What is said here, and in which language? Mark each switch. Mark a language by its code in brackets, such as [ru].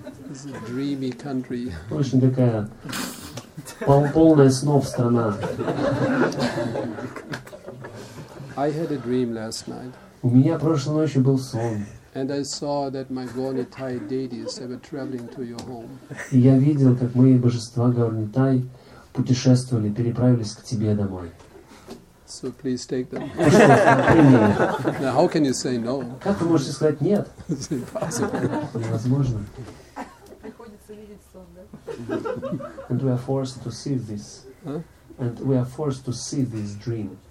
[en] It's a dreamy country. [ru] Очень такая полная снов страна. [en] I had a dream last night. [ru] У меня прошлой ночью был сон. [en] And I saw that my Gaurnitai deities were traveling to your home. [ru] И я видел, как мои божества Гаурнитай путешествовали, переправились к тебе домой. [en] So please take them. [ru] Пожалуйста, [en] how can you say no? [ru] Как вы можете сказать нет? [en] It's impossible. [ru] Невозможно. Приходится видеть сон, да? [en] And we are forced to see this. Huh? And we are forced to see this dream.